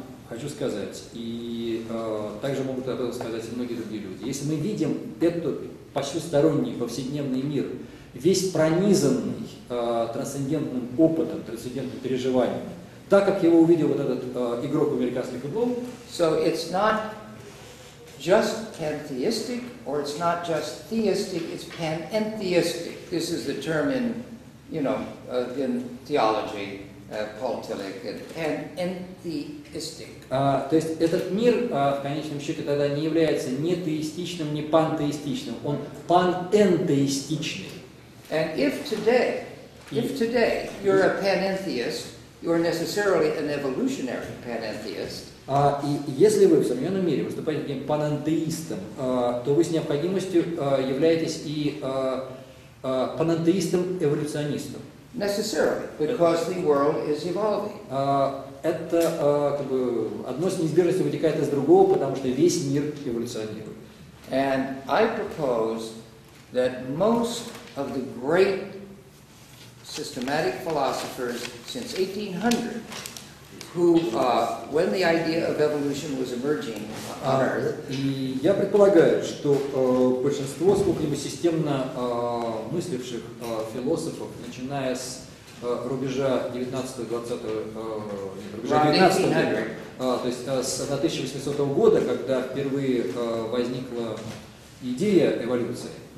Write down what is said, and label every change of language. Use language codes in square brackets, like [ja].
[ru] Хочу сказать, и также могут об этом сказать и многие другие люди. Если мы видим этот повсесторонний, повседневный мир, весь пронизанный трансцендентным опытом, трансцендентным переживанием, так как его увидел вот этот игрок в американский футбол. [en] So it's not just pantheistic, or it's not just theistic, it's panentheistic. This is the term in, you know, in theology. Paul Tillich, panentheistic. [ru] То есть этот мир в конечном счете тогда не является ни теистичным, ни пантеистичным. Он панентеистичный. [en] And if today you're a panentheist, you're necessarily an evolutionary panentheist. [ru] И если вы в современном мире выступаете таким панентеистом, то вы с необходимостью являетесь и панентеистом-эволюционистом. [en] Necessarily, because the world is evolving. [ru] Это как бы одно с неизбежностью вытекает из другого, потому что весь мир эволюционирует. [en] And I propose that most of the great systematic philosophers since 1800, who, when the idea of evolution was emerging on Earth, [ru] и я предполагаю, что большинство сколько-либо системно мысливших философов, начиная с рубежа 1800 года, когда впервые возникла идея эволюции.